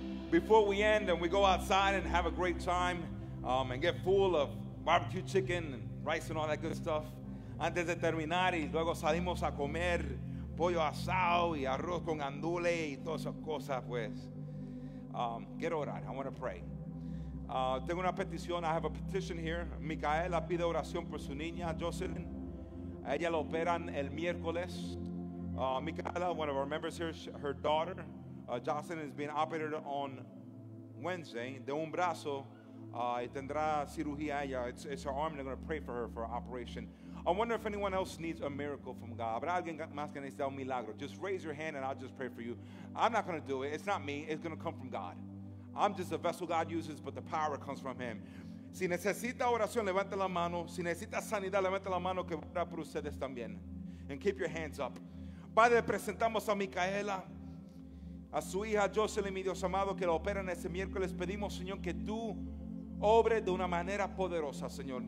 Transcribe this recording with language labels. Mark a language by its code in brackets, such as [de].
[en] before we end and we go outside and have a great time and get full of barbecue chicken and rice and all that good stuff. [es] Antes de terminar y luego salimos a comer pollo asado y arroz con andule y todas esas cosas, pues. Quiero orar. [en] I want to pray. [es] Tengo una petición. [en] I have a petition here. [es] Micaela pide oración por su niña, Jocelyn. A ella la operan el miércoles. [en] Micaela, one of our members here, her daughter, Jocelyn, is being operated on Wednesday. [es] De un brazo, y tendrá cirugía ella. [en] It's her arm. They're going to pray for her for operation. I wonder if anyone else needs a miracle from God. [es] ¿Habrá alguien más que necesita un milagro? [en] Just raise your hand and I'll just pray for you. I'm not going to do it. It's not me. It's going to come from God. I'm just a vessel God uses, but the power comes from Him. [es] Si necesita oración, levante la mano. Si necesita sanidad, levante la mano que va por ustedes también. [en] And keep your hands up. [es] Padre, presentamos a Micaela, a su hija Jocelyn, mi Dios amado, que la operan ese miércoles. Pedimos, Señor, que tú obres de una manera poderosa, Señor.